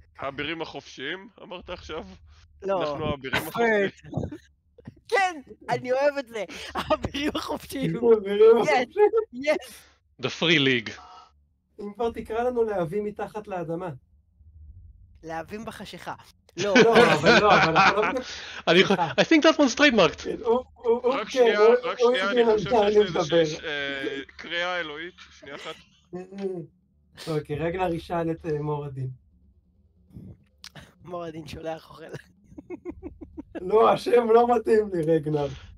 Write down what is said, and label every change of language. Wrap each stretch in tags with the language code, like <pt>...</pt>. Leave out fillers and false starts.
<he>האבירים החופשיים, אמרת עכשיו? לא. אנחנו האבירים החופשיים. כן, אני אוהב את זה. האבירים החופשיים. האבירים החופשיים.</he> <en>The free league.</en> <he>אם כבר תקרא לנו להבים מתחת לאדמה. להבים בחשיכה. לא, אבל לא, אני חושב...</he> <en>I think that one's trademarked.</en> <he>רק שנייה, אני חושב שיש לי איזושהי קריאה אלוהית, שנייה אחת. אוקיי, רגע לראשון את מור הדין. מור הדין שולח אוכל. לא, השם לא מתאים לי, רגנר.</he>